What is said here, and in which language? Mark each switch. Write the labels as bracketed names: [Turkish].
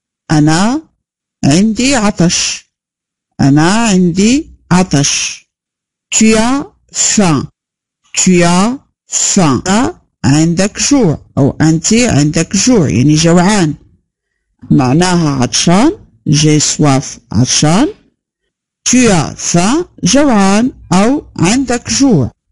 [Arabic] Ana عندي عطش. Ana عندي عطش. [French] Tu as faim. [Arabic] عندك جوع أو أنت عندك جوع يعني جوعان. معناها عطشان. [French] J'ai soif [Arabic] عطشان. [French] Tu as faim, [Arabic] جوعان أو عندك جوع.